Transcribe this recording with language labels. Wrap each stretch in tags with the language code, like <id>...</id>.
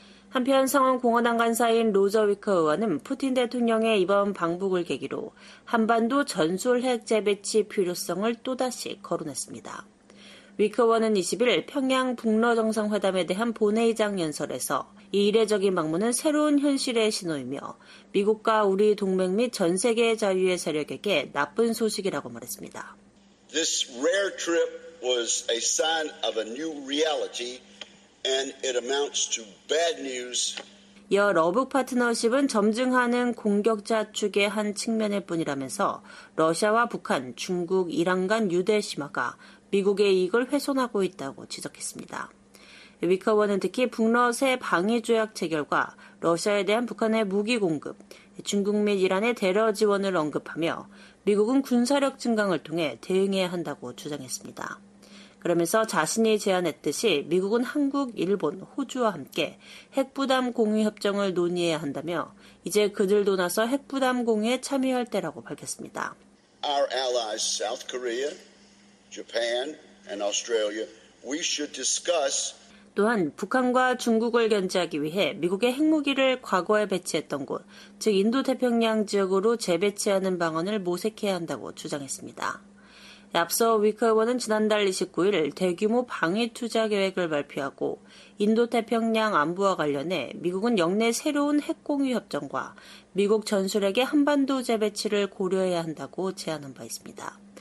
<ko>한편 상원 공화당 간사인 로저 위커 의원은 푸틴 대통령의 이번 방북을 계기로 한반도 전술 핵 재배치 필요성을 또다시 거론했습니다. 위커 의원은 21일 평양 북러 정상회담에 대한 본회의장 연설에서 이 이례적인 방문은 새로운 현실의 신호이며 미국과 우리 동맹 및 전 세계 자유의 세력에게 나쁜 소식이라고 말했습니다.</ko> <en>This rare trip was a sign of a new reality. And it amounts to bad news.</en> <ko>이어 러북 파트너십은 점증하는 공격자 축의 한 측면일 뿐이라면서 러시아와 북한, 중국, 이란 간 유대 심화가 미국의 이익을 훼손하고 있다고 지적했습니다. 위커 의원은 특히 북러 새 방위 조약 체결과 러시아에 대한 북한의 무기 공급, 중국 및 이란의 대러 지원을 언급하며 미국은 군사력 증강을 통해 대응해야 한다고 주장했습니다. 그러면서 자신이 제안했듯이 미국은 한국, 일본, 호주와 함께 핵부담 공유 협정을 논의해야 한다며 이제 그들도 나서 핵부담 공유에 참여할 때라고 밝혔습니다.</ko> <en>Our allies, South Korea, Japan, and Australia, we should discuss.</en> <ko>또한 북한과 중국을 견제하기 위해 미국의 핵무기를 과거에 배치했던 곳, 즉 인도태평양 지역으로 재배치하는 방안을 모색해야 한다고 주장했습니다. 앞서 위커 의원은 지난달 29일 대규모 방위 투자 계획을 발표하고 인도태평양 안보와 관련해 미국은 영내 새로운 핵공유 협정과 미국 전술핵의 한반도 재배치를 고려해야 한다고 제안한 바 있습니다.</ko>